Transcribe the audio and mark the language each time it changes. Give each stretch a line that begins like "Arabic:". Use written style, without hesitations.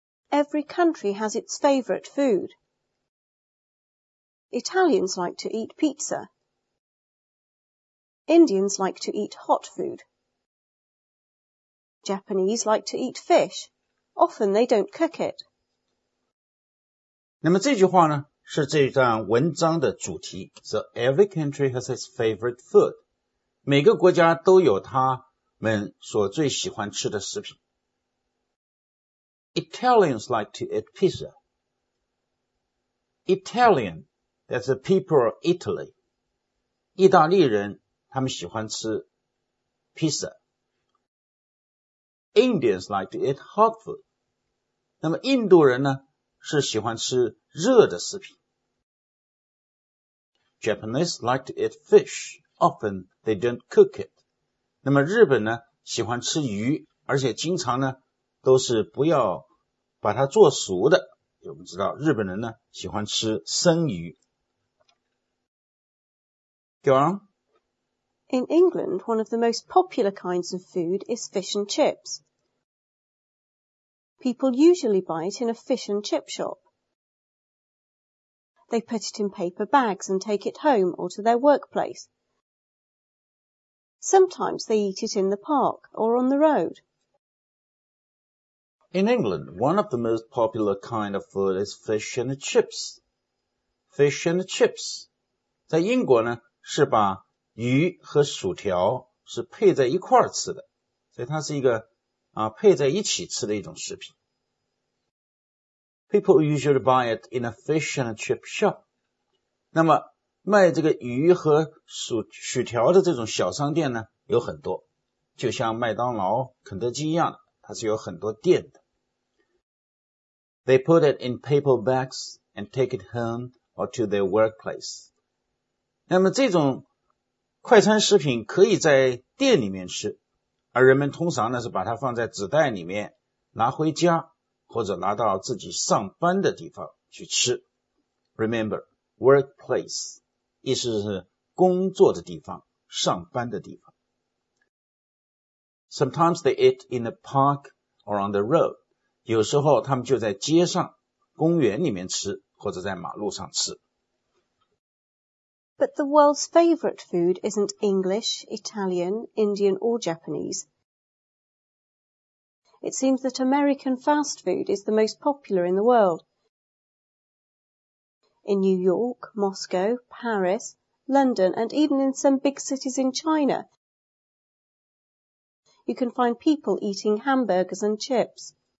English: Every country has its favorite food. Italians like to eat pizza. Indians like to eat hot food. Japanese like to eat fish. Often they don't cook it.
Chinese: 那么这句话呢，是这段文章的主题。
English: So every country has its favorite food.
Chinese: 每个国家都有他们所最喜欢吃的食品。
English: Italians like to eat pizza. Italian, that's the people of Italy.
Chinese: 意大利人他们喜欢吃 pizza.
English: Indians like to eat hot food.
Chinese: 那么印度人呢是喜欢吃热的食品。
English: Japanese like to eat fish. Often they don't cook it.
Chinese: 那么日本呢喜欢吃鱼，而且经常呢都是不要把它做熟的。我们知道日本人呢喜欢吃生鱼。
English: Go on. In England, one of the most popular kinds of food is fish and chips. People usually buy it in a fish and chip shop. They put it in paper bags and take it home or to their workplace. Sometimes they eat it in the park or on the road. In England, one of the most popular kind of food is fish and chips. Fish and chips.
Chinese: 在英国呢，是把鱼和薯条是配在一块儿吃的，所以它是一个啊配在一起吃的一种食品。
English: People usually buy it in a fish and chip shop.
Chinese: 那么卖这个鱼和薯条的这种小商店呢有很多，就像麦当劳、肯德基一样，它是有很多店的。
English: They put it in paper bags and take it home or to their workplace.
Chinese: 那么这种快餐食品可以在店里面吃，而人们通常呢是把它放在纸袋里面拿回家，或者拿到自己上班的地方去吃。
English: Remember, workplace,
Chinese: 意思是工作的地方，上班的地方。
English: Sometimes they eat in the park or on the road.
Chinese: 有时候他们就在街上、公园里面吃，或者在马路上吃。
English: But the world's favorite food isn't English, Italian, Indian, or Japanese. It seems that American fast food is the most popular in the world. In New York, Moscow, Paris, London, and even in some big cities in China, you can find people eating hamburgers and chips.